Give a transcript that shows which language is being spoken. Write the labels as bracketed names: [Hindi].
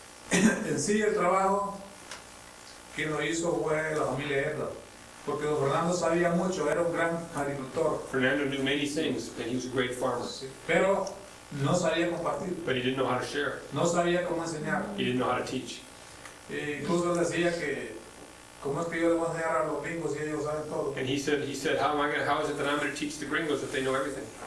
[Spanish] En sí, el trabajo que lo hizo fue la familia Erdo, porque don Fernando sabía mucho, era un gran agricultor. [English] Fernando knew many things, and he was a great farmer. [Spanish] Sí. Pero no sabía compartir. [English] But he didn't know how to share. [Spanish] No sabía cómo enseñar. [English] He didn't know how to teach. [Spanish] E incluso decía que, ¿cómo es que yo le voy a enseñar a los gringos si ellos saben todo? [English] And he said, how is it that I'm going to teach the gringos if they know everything?